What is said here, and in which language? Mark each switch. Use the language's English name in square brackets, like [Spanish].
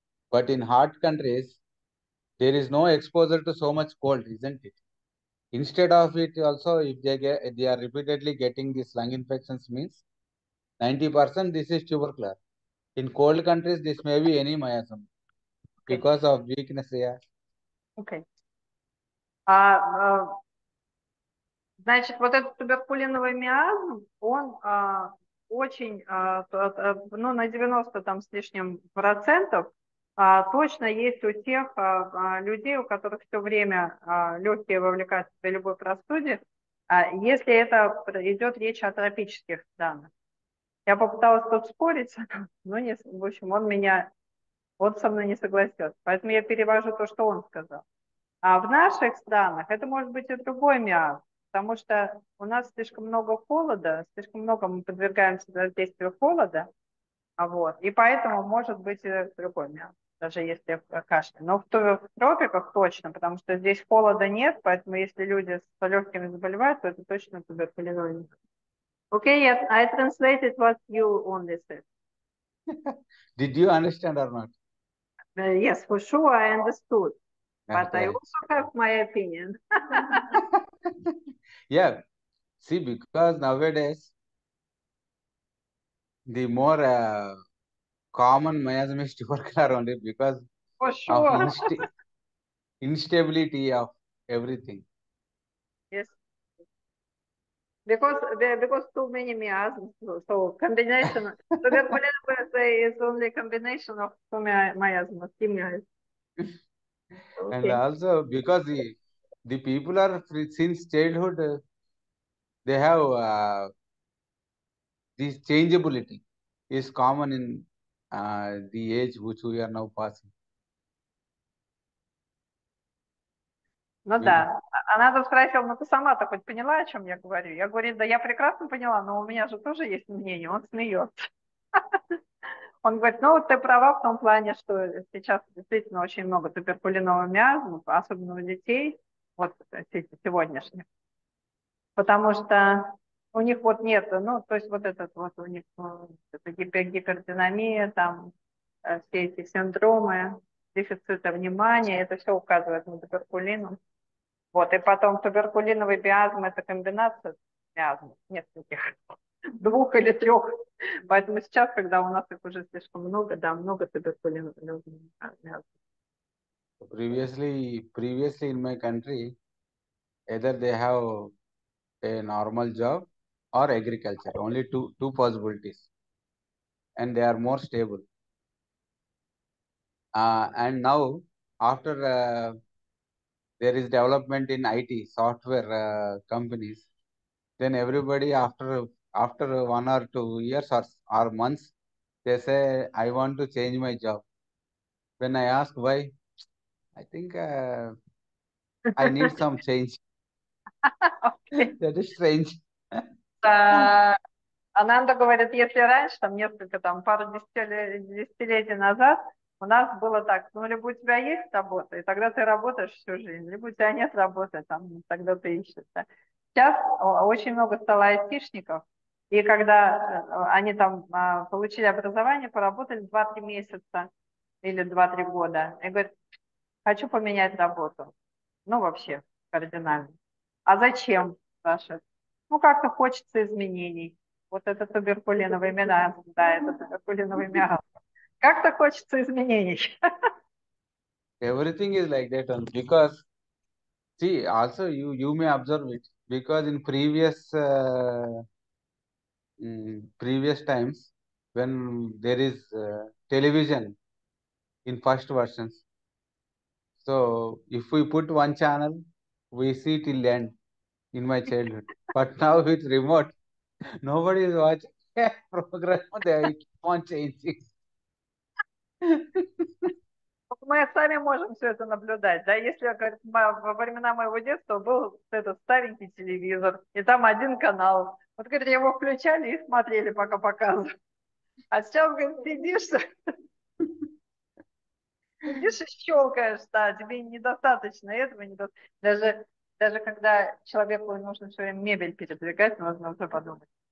[English] But in hot countries, there is no exposure to so much cold, isn't it? Instead of it, also, if they are repeatedly getting these lung infections, means 90% this is tubercular. In cold countries, this may be any miasm because of weakness here. Okay. [Russian] Значит, вот этот туберкулиновый миазм, он очень, ну, на 90 там с лишним процентов точно есть у тех людей, у которых все время легкие вовлекаются при любой простуде, если это идет речь о тропических странах. Я попыталась тут спорить, но не, в общем, он со мной не согласился. Поэтому я перевожу то, что он сказал. А в наших странах это может быть и другой миазм, потому что у нас слишком много холода, слишком много мы подвергаемся воздействию холода, вот, и поэтому может быть и другой миазм, даже если кашля. Но в тропиках точно, потому что здесь холода нет, поэтому если люди с легкими заболевают, то это точно туберкулезный. [English] Okay, yes, I translated what you only said. Did you understand or not? Yes, for sure, I understood. But I Right. also have my opinion. Yeah. See, because nowadays the more common miasm is tubercular only because For of sure. instability of everything. Yes. Because too many miasms, so combination. Tuberculosis is only combination of two miasms. And Okay. also because the people are since childhood they have this changeability is common in the age which we are now passing. [Russian] Ну [English] Because [Russian] да, она тут спросила, ну ты сама-то хоть поняла, о чем я говорю? Я говорю, да я прекрасно поняла, но у меня же тоже есть мнение, он смеется. Он говорит, ну ты права в том плане, что сейчас действительно очень много туберкулиного миазма, особенно у детей, вот сегодняшних. Потому что у них вот нет, ну то есть вот этот вот у них гипердинамия, там все эти синдромы, дефицита внимания, это все указывает на туберкулин. Вот, и потом туберкулиновый миазм – это комбинация миазмов, нескольких, двух или трех. Поэтому сейчас, когда у нас их уже слишком много, да, много туберкулиновых миазмов. [English] Previously in my country, either they have a normal job or agriculture, only two possibilities, and they are more stable. And now, after there is development in IT software companies, then everybody after 1 or 2 years or months, they say, I want to change my job. When I ask why, I think I need some change. Okay. That is strange. [Russian] Ананда говорит, если раньше, там несколько, там пару десятилетий назад, у нас было так, ну, либо у тебя есть работа, и тогда ты работаешь всю жизнь, либо у тебя нет работы, там, тогда ты ищешь. Да. Сейчас очень много стало айтишников, и когда они там получили образование, поработали 2-3 месяца или 2-3 года, и говорят, хочу поменять работу. Ну, вообще, кардинально. А зачем, спрашивают? Ну, как-то хочется изменений. Вот это туберкулиновый мяг. Да, это туберкулиновый мяг. Как-то хочется изменений. [English] Everything is like that only because see also you may observe it because in previous times when there is television in first versions, so if we put one channel we see till the end in my childhood, but now with remote nobody is watching program, they keep on changing. [Russian] Мы сами можем все это наблюдать, да, если, я говорю, во времена моего детства был этот старенький телевизор, и там один канал. Вот, говорит, его включали и смотрели, пока показывают. А сейчас, говорит, сидишь и щелкаешь, да, тебе недостаточно этого, даже когда человеку нужно все время мебель передвигать, нужно уже подумать.